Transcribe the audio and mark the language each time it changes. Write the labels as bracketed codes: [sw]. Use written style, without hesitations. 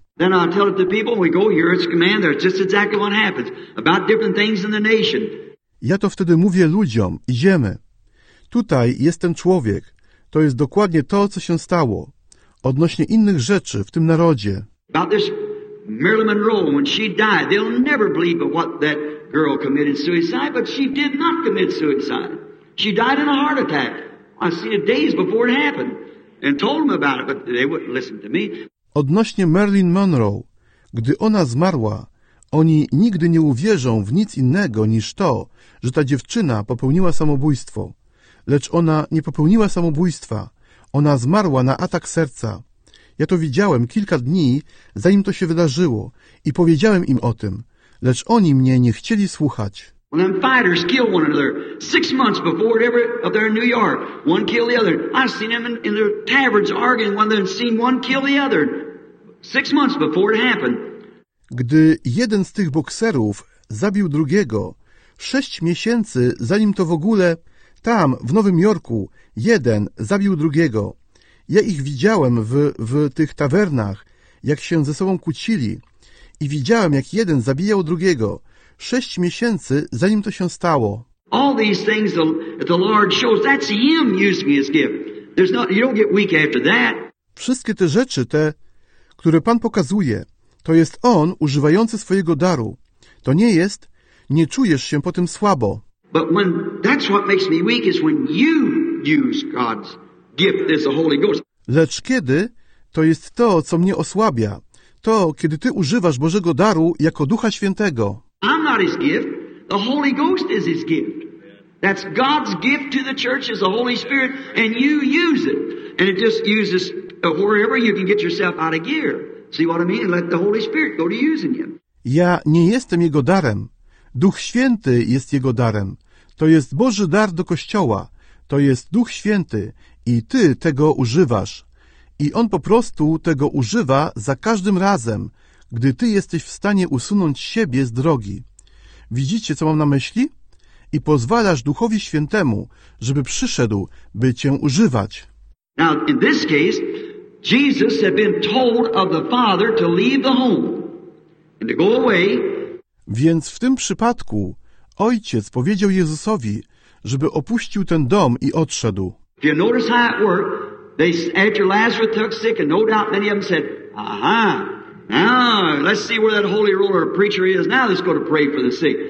[en] Then I'll tell it to people, we go here, it's command there, it's just exactly what happens, about different things in the nation. [pl] Ja to wtedy mówię ludziom, idziemy. Tutaj jest ten człowiek, to jest dokładnie to, co się stało, odnośnie innych rzeczy w tym narodzie. [en] About this Marilyn Monroe, when she died, they'll never believe but what that girl committed suicide, but she did not commit suicide. She died in a heart attack. I seen it days before it happened and told them about it, but they wouldn't listen to me. [pl] Odnośnie Marilyn Monroe, gdy ona zmarła, oni nigdy nie uwierzą w nic innego niż to, że ta dziewczyna popełniła samobójstwo. Lecz ona nie popełniła samobójstwa. Ona zmarła na atak serca. Ja to widziałem kilka dni, zanim to się wydarzyło i powiedziałem im o tym. Lecz oni mnie nie chcieli słuchać. [en] Well, them fighters kill one another 6 months before it ever up there in New York. One kill the other. I seen them in their taverns arguing when they'd seen one kill the other 6 months before it happened. [pl] Gdy jeden z tych bokserów zabił drugiego, 6 miesięcy zanim to w ogóle tam w Nowym Jorku jeden zabił drugiego. Ja ich widziałem w tych tawernach, jak się ze sobą kłócili. I widziałem, jak jeden zabijał drugiego, 6 miesięcy, zanim to się stało. [en] All these things the Lord shows, that's him using his gift. There's not, you don't get weak after that. [pl] Wszystkie te rzeczy, te, które Pan pokazuje, to jest On używający swojego daru. To nie jest, nie czujesz się po tym słabo. [en] But when, that's what makes me weak is when you use God's gift as the Holy Ghost. [pl] Lecz kiedy, to jest to, co mnie osłabia. To, kiedy ty używasz Bożego daru jako Ducha Świętego. [en] I'm not his gift. The Holy Ghost is his gift. That's God's gift to the church is the Holy Spirit, and you use it. And it just uses wherever you can get yourself out of gear. See what I mean? Let the Holy Spirit go to using you. [pl] Ja nie jestem jego darem. Duch Święty jest jego darem. To jest Boży dar do Kościoła. To jest Duch Święty i ty tego używasz. I on po prostu tego używa za każdym razem, gdy ty jesteś w stanie usunąć siebie z drogi. Widzicie, co mam na myśli? I pozwalasz Duchowi Świętemu, żeby przyszedł, by cię używać. [en] Now, in this case, Jesus had been told of the Father to leave the home and to go away. [pl] Więc w tym przypadku Ojciec powiedział Jezusowi, żeby opuścił ten dom i odszedł. [en] If you notice how it worked, they said Lazarus took sick, and no doubt many of them said, aha, now let's see where that holy ruler or preacher is now, let's go to pray for the sick.